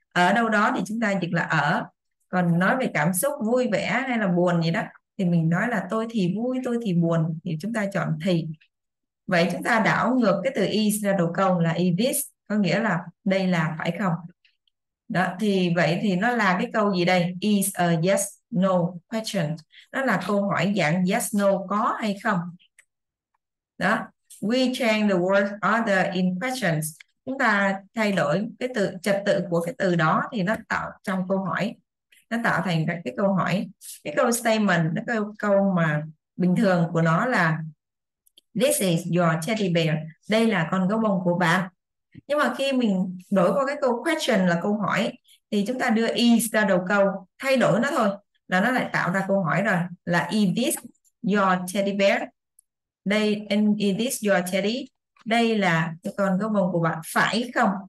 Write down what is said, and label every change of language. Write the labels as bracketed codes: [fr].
[vi] Ở đâu đó thì chúng ta dịch là ở. Còn nói về cảm xúc vui vẻ hay là buồn gì đó thì mình nói là tôi thì vui, tôi thì buồn, thì chúng ta chọn thì. Vậy chúng ta đảo ngược cái từ is ra đầu câu là is this, có nghĩa là đây là phải không? Đó, thì vậy thì nó là cái câu gì đây? [en] Is a yes no question. [vi] Nó là câu hỏi dạng yes no, có hay không? Đó, [en] we change the word order in questions. [vi] Chúng ta thay đổi cái từ trật tự của cái từ đó thì nó tạo trong câu hỏi. Nó tạo thành cái câu hỏi, cái câu statement, cái câu mà bình thường của nó là [en] this is your teddy bear, [vi] đây là con gấu bông của bạn. Nhưng mà khi mình đổi qua cái câu question là câu hỏi thì chúng ta đưa is ra đầu câu, thay đổi nó thôi là nó lại tạo ra câu hỏi rồi, là [en] is this your teddy bear, [vi] đây [en] and is this your teddy, [vi] đây là cái con gấu bông của bạn phải không?